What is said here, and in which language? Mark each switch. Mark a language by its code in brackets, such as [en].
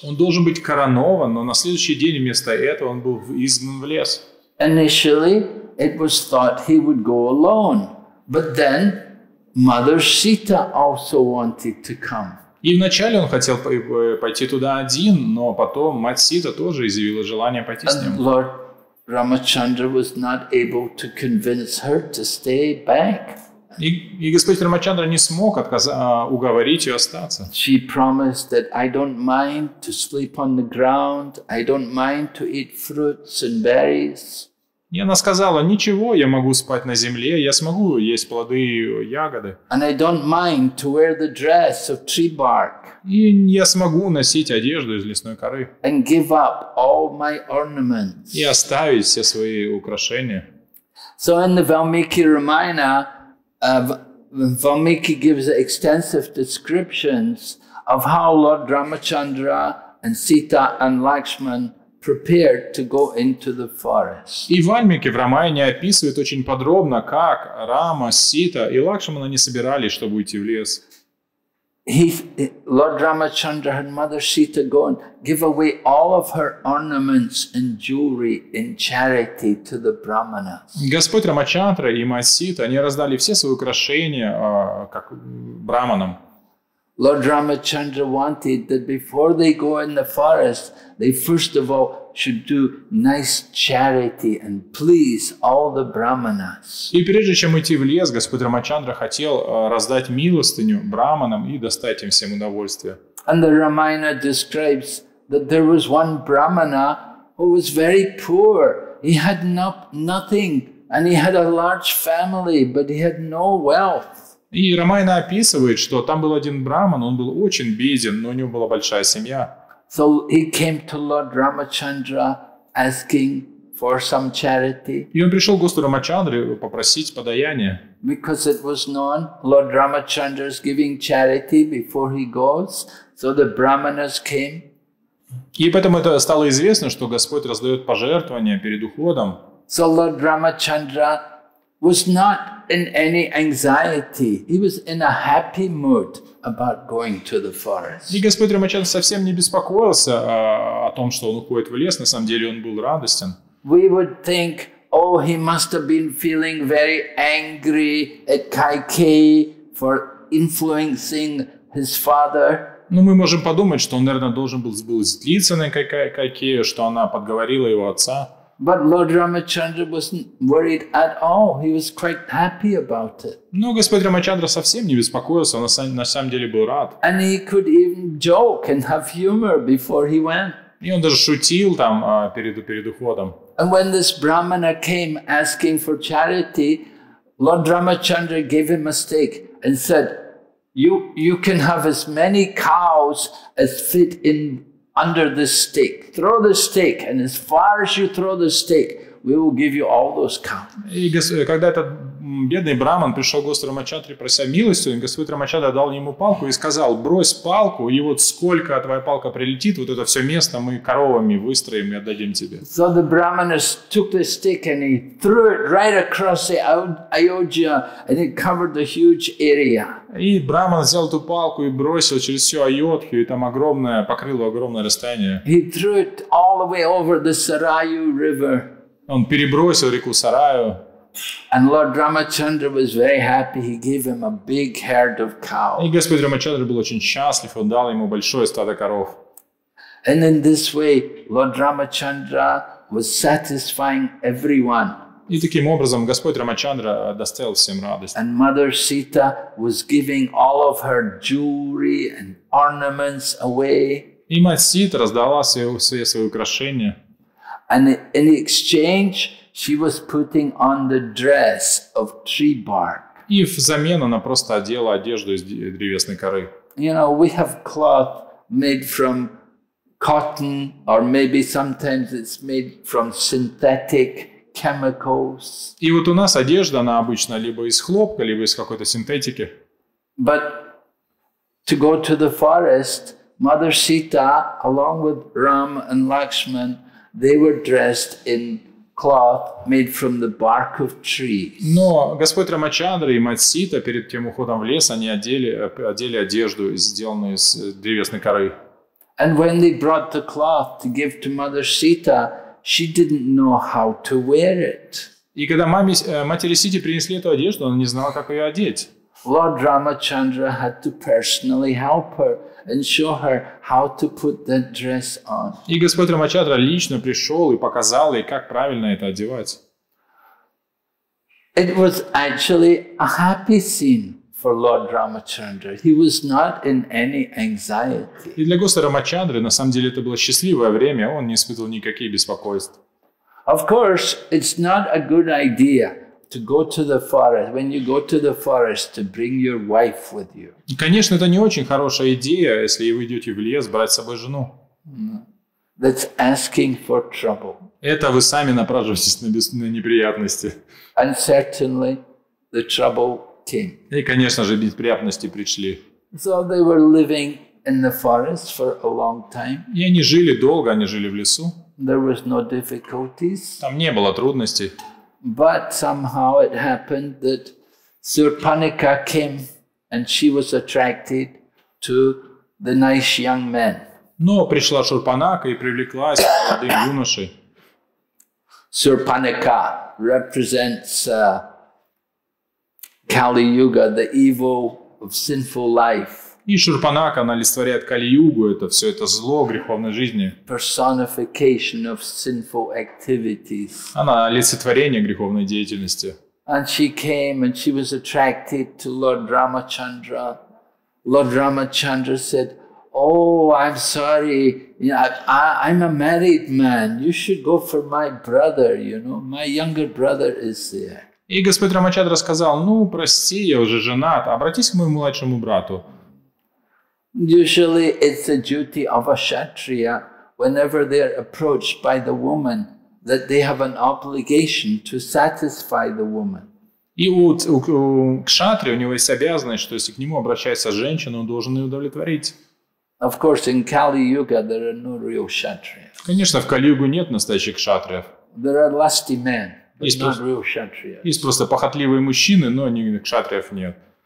[ru] Он должен быть коронован, но на следующий день вместо этого он был изгнан в лес. [en] Initially it was thought he would go alone, but then Mother Sita also wanted to come. [ru] И вначале он хотел пойти туда один, но потом мать Сита тоже изъявила желание пойти с ним. [en] Lord Ramachandra was not able to convince her to stay back. [ru] И Господь Рамачандра не смог уговорить ее остаться. [en] She promised that I don't mind to sleep on the ground, I don't mind to eat fruits and berries. [ru] И она сказала: ничего, я могу спать на земле, я смогу есть плоды и ягоды. [en] And I don't mind to wear the dress of tree bark. [ru] И я смогу носить одежду из лесной коры. [en] And give up all my ornaments. [ru] И оставить все свои украшения. [en] So in the Valmiki Ramayana, Valmiki gives extensive descriptions of how Lord Ramachandra and Sita and Lakshman prepared to go into the forest. [ru] И Вальмики в Рамаяне описывает очень подробно, как Рама, Сита и Лакшмана не собирались, чтобы уйти в лес. [en] Lord Ramachandra and Mother Sita go and give away all of her ornaments and jewelry in charity to the brahmanas. [ru] Господь Рамачандра и мать Сита, они раздали все свои украшения как браманам. [en] Lord Ramachandra wanted that before they go in the forest, they first of all should do nice charity and please all the brahmanas. [ru] И прежде чем идти в лес, Господь Рамачандра хотел раздать милостыню браманам и достать им всем удовольствие. [en] And the Ramayana describes that there was one brahmana who was very poor. He had nothing and he had a large family, but he had no wealth. [ru] И Рамаяна описывает, что там был один браман, он был очень беден, но у него была большая семья. [en] So he came to Lord Ramachandra asking for some charity. [ru] И он пришел к Господу Рамачандре попросить подаяние. [en] Because it was known Lord Ramachandra is giving charity before he goes, so the brahmanas came. [ru] И поэтому это стало известно, что Господь раздает пожертвования перед уходом. [en] So Lord Ramachandra was not in any anxiety. He was in a happy mood about going to the forest. [ru] И Господь Рамачандра совсем не беспокоился о том, что он уходит в лес. На самом деле он был радостен. [en] We would think, oh, he must have been feeling very angry at Кайкеи for influencing his father. [ru] Но мы можем подумать, что он, наверное, должен был злиться на Кайкею, что она подговорила его отца. [en] But Lord Ramachandra wasn't worried at all. He was quite happy about it. [ru] Но Господь Рамачандра совсем не беспокоился, он на самом деле был рад. [en] And he could even joke and have humor before he went. [ru] И он даже шутил там перед уходом. [en] And when this brahmana came asking for charity, Lord Ramachandra gave him a stick and said, you can have as many cows as fit in under the stick. Throw the stick, and as far as you throw the stick, we will give you all those cows. [ru] И когда этот бедный браман пришел к госпоже Рамачатре, прося милости, господин Рамачатра дал ему палку и сказал: брось палку, и вот сколько твоя палка прилетит, вот это все место мы коровами выстроим и отдадим тебе. [en] So the brahmana took the stick and he threw it right across the Ayodhya and it covered the huge area. [ru] И браман взял эту палку и бросил через всю Айодхью, и там огромное, покрыло огромное расстояние. [en] He threw it all the way over the Sarayu River. [ru] Он перебросил реку Сараю. [en] And Lord Ramachandra was very happy. He gave him a big herd of cows. [ru] И господин Рамачандра был очень счастлив, он дал ему большое стадо коров. [en] And in this way, Lord Ramachandra was satisfying everyone. [ru] И таким образом господь Рамачандра доставил всем радость. [en] And Mother Sita was giving all of her jewelry and ornaments away. [ru] И мать Сита раздала все свои украшения. [en] And in exchange, she was putting on the dress of tree bark. [ru] И взамен она просто одела одежду из древесной коры. [en] You know, we have cloth made from cotton, or maybe sometimes it's made from synthetic chemicals. [ru] И вот у нас одежда, она обычно либо из хлопка, либо из какой-то синтетики. [en] But to go to the forest, Mother Sita, along with Ram and Lakshman, they were dressed in cloth made from the bark of trees. [ru] Но господь Рамачандра и мать Сита перед тем уходом в лес, они одели одежду, сделанную из древесной коры. [en] And when they brought the cloth to give to Mother Sita, she didn't know how to wear it. [ru] И когда матери Сите принесли эту одежду, она не знала, как ее одеть. [en] Lord Ramachandra had to personally help her and show her how to put that dress on. [ru] И господь Рамачандра лично пришел и показал ей, как правильно это одевать. [en] It was actually a happy scene for Lord Ramachandra. He was not in any anxiety. [ru] И для господа Рамачандры на самом деле это было счастливое время, он не испытывал никаких беспокойств. [en] Of course, it's not a good idea to go to the forest, when you go to the forest, to bring your wife with you. [ru] Конечно, это не очень хорошая идея, если вы идете в лес, брать с собой жену. [en] That's asking for trouble. [ru] Это вы сами напрашиваетесь на неприятности. [en] And certainly the trouble came. [ru] И, конечно же, неприятности пришли. [en] So they were living in the forest for a long time. [ru] И они жили долго, они жили в лесу. [en] There was no difficulties. [ru] Там не было трудностей. [en] But somehow it happened that Surpanika came and she was attracted to the nice young man. [ru] Но пришла Шурпанака и привлеклась к молодым юношей. [en] Surpanika represents Kali Yuga, the evil of sinful life. [ru] И Шурпанака, она олицетворяет Кали-югу, это все это зло греховной жизни. [en] Personification of sinful activities. [ru] Она олицетворение греховной деятельности. [en] And she came and she was attracted to Lord Ramachandra. Lord Ramachandra said, oh, I'm sorry, you know, I'm a married man, you should go for my brother, you know, my younger brother is there. [ru] И господь Рамачандра сказал, ну, прости, я уже женат, обратись к моему младшему брату. [en] Usually it's the duty of a kshatriya, whenever they're approached by the woman, that they have an obligation to satisfy the woman. [ru] И у кшатри, у него есть обязанность, что если к нему обращается женщина, он должен ее удовлетворить. [en] Of course, in Kali-yuga there are no real kshatriyas. [ru] Конечно, в Кали-югу нет настоящих кшатриев. [en] There are lusty men, but not real kshatriyas. [ru] Есть просто похотливые мужчины, но кшатриев нет.